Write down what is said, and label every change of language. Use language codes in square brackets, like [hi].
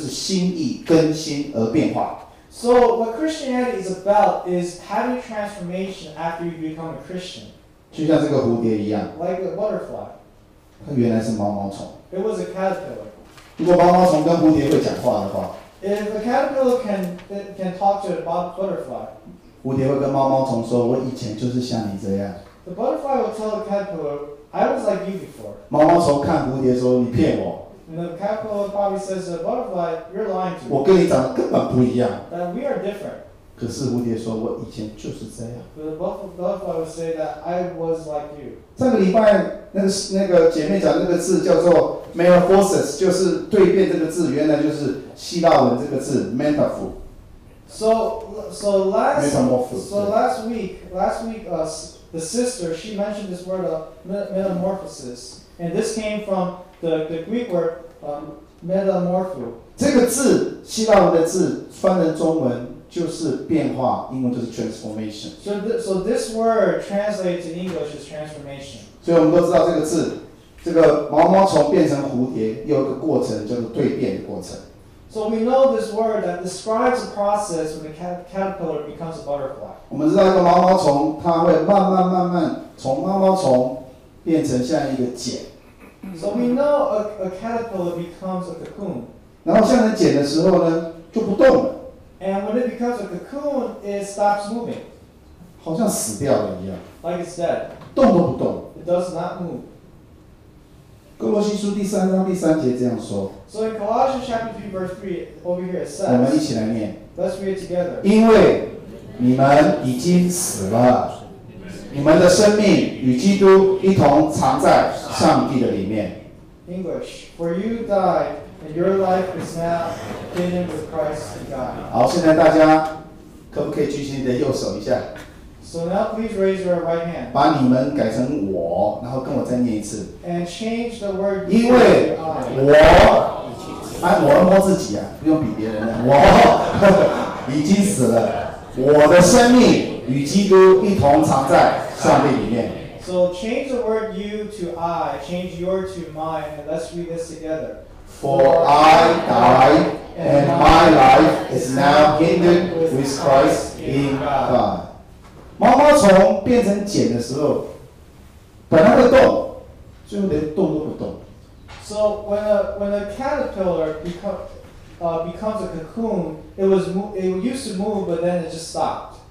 [zh] 所以基督徒最强调的就是信了耶稣以后，你生命有改变，就是心意更新而变化。 [en] So what Christianity is about is having transformation after you become a Christian. [zh] 就像这个蝴蝶一样， [en] like a butterfly， [zh] 它原来是毛毛虫。 [en] It was a caterpillar. [zh] 如果毛毛虫跟蝴蝶会讲话的话， [en] if a caterpillar can talk to a butterfly， [zh] 蝴蝶会跟毛毛虫说，我以前就是像你这样。 [en] The butterfly will tell the caterpillar, I was like you before. [zh] 毛毛虫看蝴蝶说，你骗我。 [en] And the caterpillar probably says to the butterfly, you're lying to me. [zh] 我跟你长得根本不一样。 [en] That we are different. [zh] 可是蝴蝶说，我以前就是这样。 [en] But the butterfly would say that I was like you. [zh] 上个礼拜那个姐妹讲那个字叫做 metamorphosis， 就是蜕变这个字，原来就是希腊文这个字 metamorph。 [en] So last week, the sister, she mentioned this word of metamorphosis, and this came from the Greek word metamorpho. [zh] 这个字，希腊文的字，翻成中文就是变化，英文就是 transformation. [en] So this word translated to English is transformation. [zh] 所以我们都知道这个字，这个毛毛虫变成蝴蝶，有一个过程叫做蜕变的过程。 [en] So we know this word that describes the process when a caterpillar becomes a butterfly. [zh] 我们知道一个毛毛虫，它会慢慢慢慢从毛毛虫变成像一个茧。 [en] So we know a caterpillar becomes a cocoon. [zh] 然后像人茧的时候呢，就不动了。 [en] And when it becomes a cocoon, it stops moving. [zh] 好像死掉了一样。 [en] Like it's dead. [zh] 动都不动。 [en] It does not move. [zh] 哥罗西书第三章第三节这样说。 [en] So in Colossians chapter 3 verse 3 over here it says. [zh] 我们一起来念。 [en] Let's read it together. [zh] 因为你们已经死了，你们的生命与基督一同藏在上帝的里面。 [en] English. For you died, and your life is now hidden with Christ in God. [zh] 好，现在大家可不可以举起你的右手一下？ [en] So now please raise your right hand. [zh] 把你们改成我，然后跟我再念一次。 [en] And change the word. [zh] 因为我，哎，我摸自己啊，不用比别人了。我已经死了，我的生命与基督一同藏在上帝里面。 [en] So change the word you to I. Change your to mine, and let's read this together. For I die, and my life is now hidden with Christ in God. [zh] 毛毛虫变成茧的时候，本来会动，最后连动都不动。 [en] So when a caterpillar becomes a cocoon, it used to move, but then it just stopped.